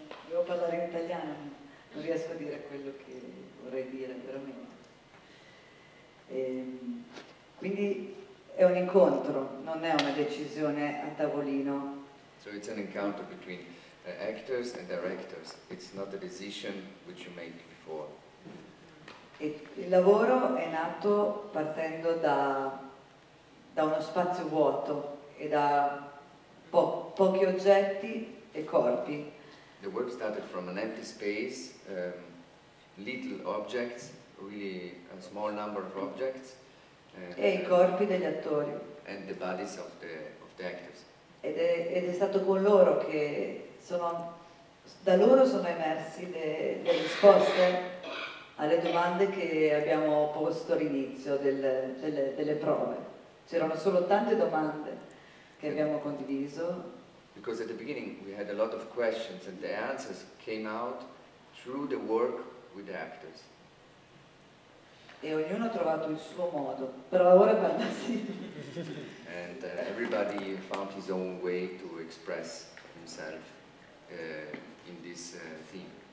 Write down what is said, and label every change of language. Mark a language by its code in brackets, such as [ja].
[it] Devo parlare in italiano, non riesco a dire quello che vorrei dire veramente. Quindi. È un incontro, non è una decisione a tavolino. [en] So it's an encounter between actors and directors. It's not a decision which you make before. [it] Il lavoro è nato partendo da uno spazio vuoto e da pochi oggetti e corpi. [en] The work started from an empty space, little objects, really a small number of objects. [it] E i corpi degli attori. [en] And the bodies of the actors. [it] Ed è stato con loro che sono. Da loro sono emersi le risposte alle domande che abbiamo posto all'inizio delle prove. C'erano solo tante domande che abbiamo condiviso. [en] Because at the beginning we had a lot of questions and the answers came out through the work with the actors. [it] E ognuno ha trovato il suo modo, però ora parla sì. [en] And everybody found his own way to express himself in this theme.